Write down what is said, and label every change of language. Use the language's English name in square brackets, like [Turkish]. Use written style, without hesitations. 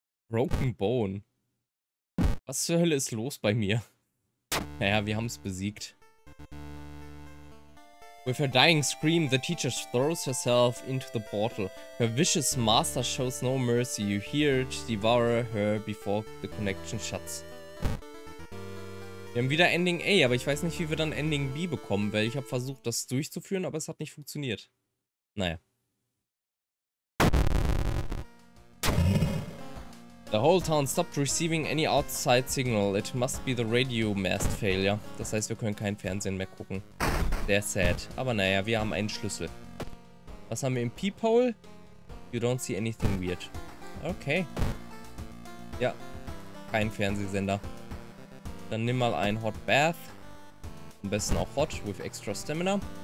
[German] Broken Bone. Was zur Hölle ist los bei mir? Naja, wir haben es besiegt. [English] With her dying scream, the teacher throws herself into the portal. Her vicious master shows no mercy. You hear it devour her before the connection shuts. [German] Wir haben wieder Ending A, aber ich weiß nicht, wie wir dann Ending B bekommen, weil ich habe versucht, das durchzuführen, aber es hat nicht funktioniert. Naja. [English] The whole town stopped receiving any outside signal. It must be the radio mast failure. [German] Das heißt, wir können kein Fernsehen mehr gucken. Sehr sad. Aber naja, wir haben einen Schlüssel. Was haben wir im Peephole? [English] You don't see anything weird. Okay. [German] Ja. Kein Fernsehsender. Dann nimm mal ein Hot Bath. Am besten auch Hot with extra Stamina.